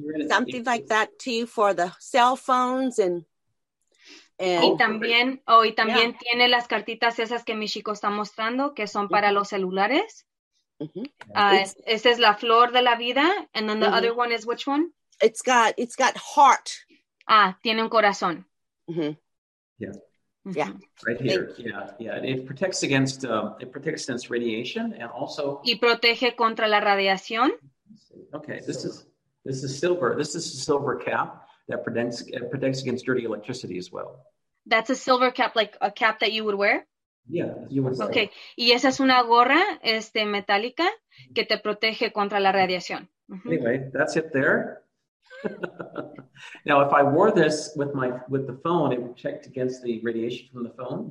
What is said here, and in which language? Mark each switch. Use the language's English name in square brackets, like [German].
[English] something like that too for the cell phones and. [Spanish] Y también tiene las cartitas esas que mi chico está mostrando, que son para los celulares. Mm-hmm. Esa es la flor de la vida. [English] And then the other one is which one? It's got heart. [Spanish] Ah, tiene un corazón. [English] Right here. It protects against radiation and also. [Spanish] Y protege contra la radiación. [English] Okay, this is silver. This is a silver cap that protects against dirty electricity as well. That's a silver cap, like a cap that you would wear? Yeah, you would say. [Spanish] Okay, y esa es una gorra metálica que te protege contra la radiación. [English] Mm-hmm. Anyway, that's it there. Now, if I wore this with the phone, it would protect against the radiation from the phone?